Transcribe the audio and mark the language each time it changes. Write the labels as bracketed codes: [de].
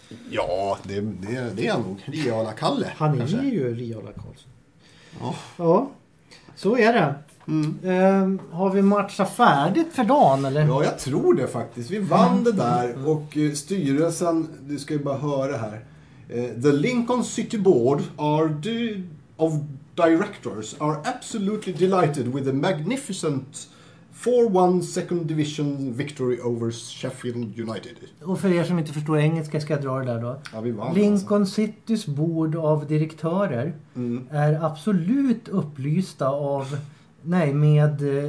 [sv] Ja, det är nog. Riala Kalle. Han kanske är ju Riala Karlsson. Ja. Ja, så är det. Har vi matchat färdigt för dagen eller? Ja, jag tror det faktiskt. Vi vann det där och styrelsen, du ska ju bara höra här. [en] The Lincoln City Board of Directors are absolutely delighted with the magnificent 4-1 second division victory over Sheffield United. [sv] Och för er som inte förstår engelska ska jag dra det där då. Ja, vi vann, Lincoln alltså. Citys board av direktörer är absolut upplysta av, nej, med